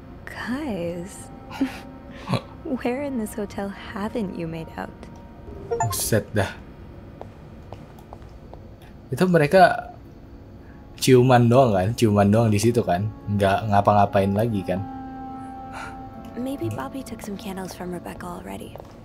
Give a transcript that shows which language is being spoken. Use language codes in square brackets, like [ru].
[en] Guys, where in this hotel haven't you made out? [id] Buset dah. Itu mereka ciuman doang kan? Ciuman doang di situ kan? Nggak ngapa-ngapain lagi kan? [en] Maybe Bobby took some candles from Rebecca already.